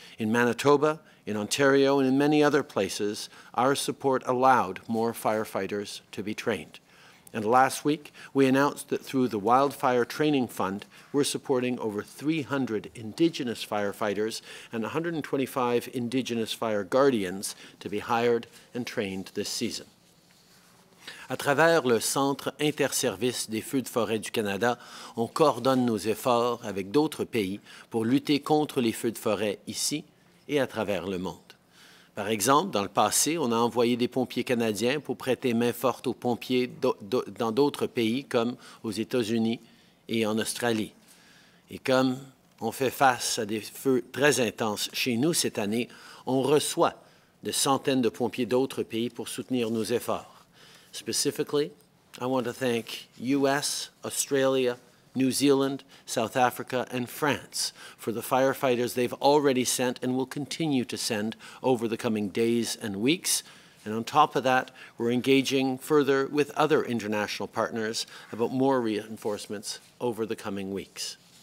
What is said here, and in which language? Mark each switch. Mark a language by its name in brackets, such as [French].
[English] In Manitoba, in Ontario, and in many other places, our support allowed more firefighters to be trained. And last week, we announced that through the Wildfire Training Fund, we're supporting over 300 Indigenous firefighters and 125 Indigenous fire guardians to be hired and trained this season. [French] À travers le Centre Interservice des Feux de forêt du Canada, on coordonne nos efforts avec d'autres pays pour lutter contre les feux de forêt ici et à travers le monde. Par exemple, dans le passé, on a envoyé des pompiers canadiens pour prêter main forte aux pompiers dans d'autres pays comme aux États-Unis et en Australie. Et comme on fait face à des feux très intenses chez nous cette année, on reçoit des centaines de pompiers d'autres pays pour soutenir nos efforts. [English] Specifically, I want to thank US, Australia, New Zealand, South Africa, and France for the firefighters they've already sent and will continue to send over the coming days and weeks. And on top of that, we're engaging further with other international partners about more reinforcements over the coming weeks.